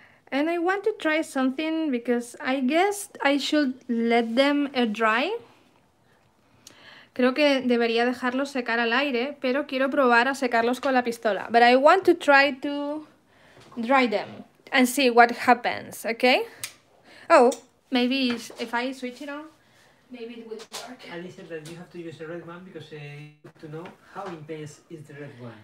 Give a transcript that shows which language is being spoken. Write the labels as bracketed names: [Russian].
[English] And I want to try something because I guess I should let them air dry. [Spanish] Creo que debería dejarlos secar al aire, pero quiero probar a secarlos con la pistola. [English] But I want to try to dry them and see what happens, okay? Oh, maybe if I switch it on, maybe it will work. Alice said that you have to use a red one because to know how intense is the red one.